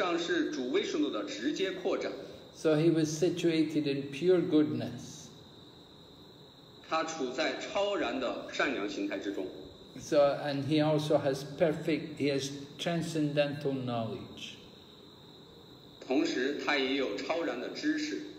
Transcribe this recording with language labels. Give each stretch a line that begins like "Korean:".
Chinese: 他事实上是主威士努的直接扩展.
English: So he was situated in pure goodness.
Chinese: 他处在超然的善良形态之中.
English: So, and he also has perfect, he has transcendental knowledge.
Chinese: 同时他也有超然的知识.